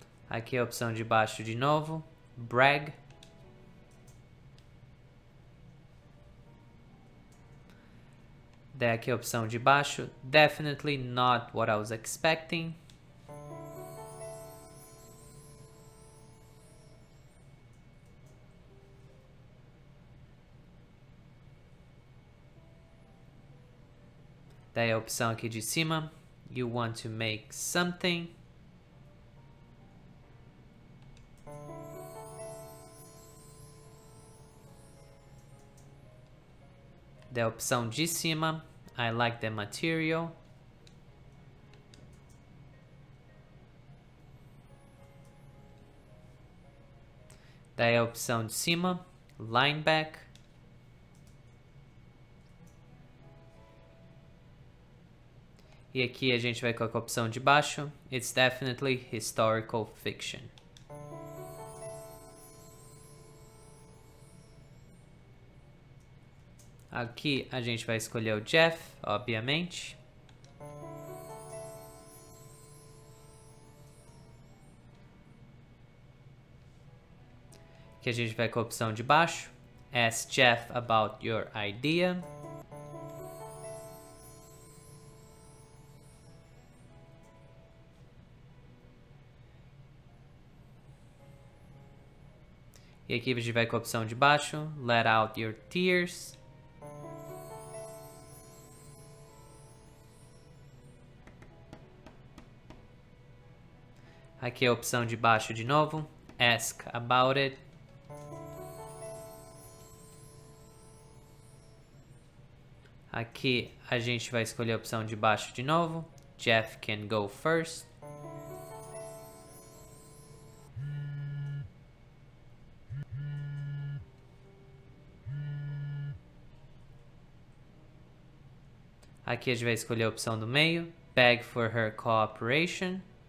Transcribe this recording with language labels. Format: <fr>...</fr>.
<pt>Aqui a opção de baixo de novo.</pt> <en>Brag.</en> <pt>Daí aqui a opção de baixo.</pt> <en>Definitely not what I was expecting.</en> <pt>Daí a opção aqui de cima.</pt> <en>You want to make something.</en> <pt>Da opção de cima.</pt> <en>I like the material.</en> <pt>Daí a opção de cima. Lineback. E aqui a gente vai com a opção de baixo.</pt> <en>It's definitely historical fiction.</en> <pt>Aqui a gente vai escolher o Jeff, obviamente. Aqui a gente vai com a opção de baixo.</pt> <en>Ask Jeff about your idea.</en> <pt>E aqui a gente vai com a opção de baixo.</pt> <en>Let out your tears.</en> <pt>Aqui a opção de baixo de novo.</pt> <en>Ask about it.</en> <pt>Aqui a gente vai escolher a opção de baixo de novo.</pt> <en>Jeff can go first.</en> <pt>Aqui a gente vai escolher a opção do meio.</pt> <en>Beg for her cooperation.</en>